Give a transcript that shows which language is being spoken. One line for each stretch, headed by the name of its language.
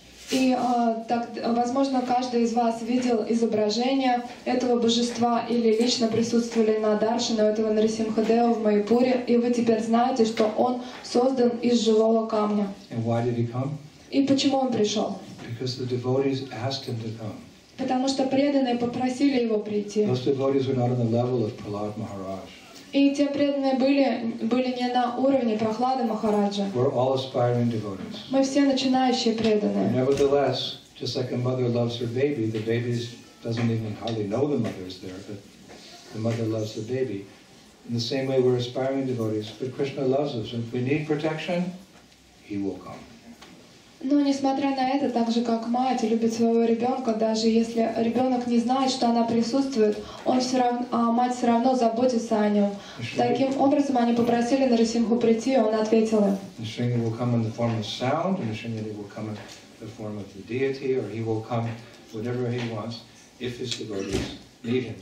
Russian: И так, возможно, каждый из вас видел изображение этого божества или лично присутствовали на даршане этого Нарисимхадева в Майпуре, и вы теперь знаете, что он создан из живого камня.
English: And why did he come?
Russian: И почему он пришел?
English: Because the devotees asked him to come.
Russian: Потому что преданные попросили его прийти.
English: Those devotees were not on the level of Prahlad Maharaj.
Russian: И те преданные были не на уровне Прохлады Махараджа.
English: We're all aspiring devotees.
Russian: Мы все начинающие преданные.
English: But nevertheless, just like a mother loves her baby, the baby doesn't even hardly know the mother is there, but the mother loves the baby. In the same way, we're aspiring devotees, but Krishna loves us, and if we need protection, He will come.
Russian: Но несмотря на это, так же как мать любит своего ребенка, даже если ребенок не знает, что она присутствует, мать все равно заботится о нем. Таким образом, они попросили Нарасимху прийти, и он ответил им.
English: Нарасимха will come in the form of sound, Нарасимха will come in the form of the deity, or he will come whatever he wants, if his devotees need him.